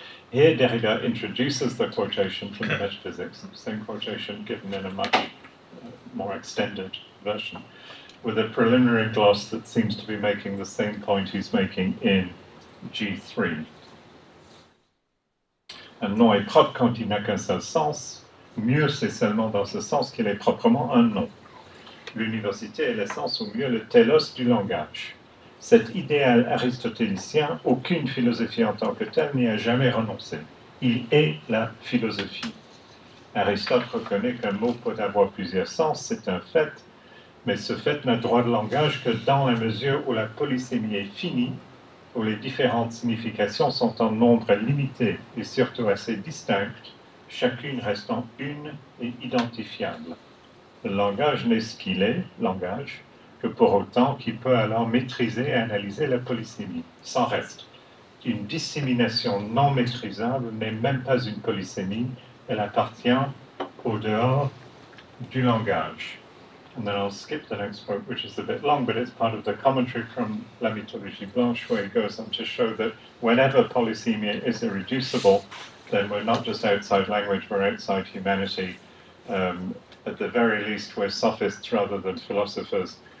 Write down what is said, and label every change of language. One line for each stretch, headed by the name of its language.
English: Here, Derrida introduces the quotation from the Metaphysics, same quotation given in a much more extended version, with a preliminary gloss that seems to be making the same point he's making in G3.
French: Un nom est propre quand il n'a qu'un seul sens. Mieux, c'est seulement dans ce sens qu'il est proprement un nom. L'université est l'essence, ou mieux, le télos du langage. Cet idéal aristotélicien, aucune philosophie en tant que telle n'y a jamais renoncé. Il est la philosophie. Aristote reconnaît qu'un mot peut avoir plusieurs sens, c'est un fait, mais ce fait n'a droit de langage que dans la mesure où la polysémie est finie, où les différentes significations sont en nombre limité et surtout assez distinctes, chacune restant une et identifiable. Le langage n'est ce qu'il est, langage, que pour autant qu'il peut alors maîtriser et analyser la polysémie. S'en reste. Une dissémination non maîtrisable n'est même pas une polysémie, elle appartient au dehors du langage.
English: And then I'll skip the next quote, which is a bit long, but it's part of the commentary from La Mythologie Blanche, where he goes on to show that whenever polysemia is irreducible, then we're not just outside language, we're outside humanity. At the very least, we're sophists rather than philosophers.